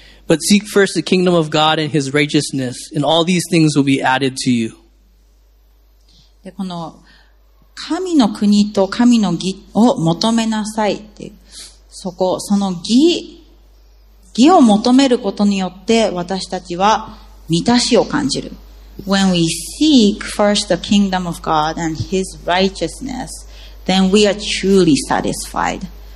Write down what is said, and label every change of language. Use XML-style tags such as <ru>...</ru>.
<en>But seek first the kingdom of God and his righteousness, and all these things will be added to you.</en> <ja>でこの神の国と神の義を求めなさいっていう、そこ、その義を求めることによって私たちは満たしを感じる。</ja> <en>When we seek first the kingdom of God and his righteousness, then we are truly satisfied.</en>